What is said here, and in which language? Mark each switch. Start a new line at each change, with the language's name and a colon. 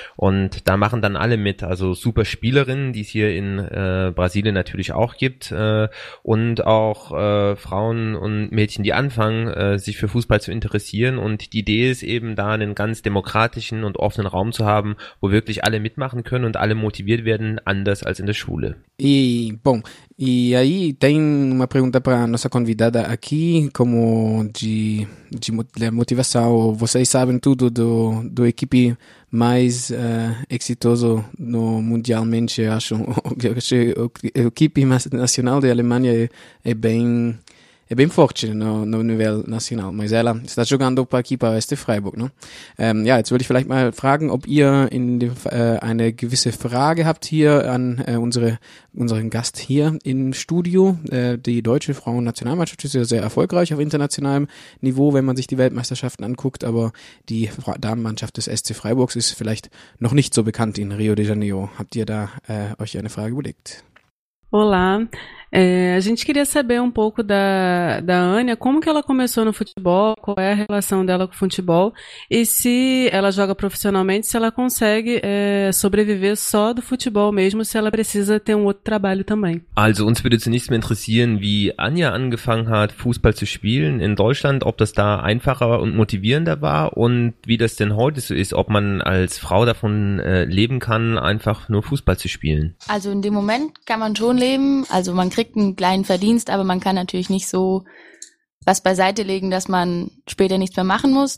German: Und da machen dann alle mit, also super Spielerinnen, die es hier in Brasilien natürlich auch gibt und auch Frauen und Mädchen, die anfangen, sich für Fußball zu interessieren, und die Idee ist eben, da einen ganz demokratischen und offenen Raum zu haben, wo wirklich alle mitmachen können und alle motiviert werden, anders als in der Schule.
Portuguese: E bom, e aí tem uma pergunta para nossa convidada aqui, como de motivação. Vocês sabem tudo do equipe mais exitoso no mundialmente, acho. A equipe nacional da Alemanha é bem forte no nível nacional, mas ela está jogando para aqui, para o Oeste Freiburg, não?
German: Ja, jetzt würde ich vielleicht mal fragen, ob ihr eine gewisse Frage habt hier an unseren Gast hier im Studio. Die deutsche Frauennationalmannschaft ist ja sehr erfolgreich auf internationalem Niveau, wenn man sich die Weltmeisterschaften anguckt, aber die Damenmannschaft des SC Freiburgs ist vielleicht noch nicht so bekannt in Rio de Janeiro. Habt ihr da euch eine Frage überlegt?
Portuguese: Olá, a gente queria saber um pouco da Ania, como que ela começou no futebol, qual é a relação dela com o futebol e se ela joga profissionalmente, se ela consegue sobreviver só do futebol mesmo, se ela precisa ter um outro trabalho também.
German: Also, uns würde zunächst mal interessieren, wie Ania angefangen hat, Fußball zu spielen in Deutschland, ob das da einfacher und motivierender war und wie das denn heute so ist, ob man als Frau davon leben kann, einfach nur Fußball zu spielen. Also, in dem Moment kann man schon leben, also man kriegt einen kleinen Verdienst, aber man kann natürlich nicht so was beiseite legen, dass man später nichts mehr machen muss.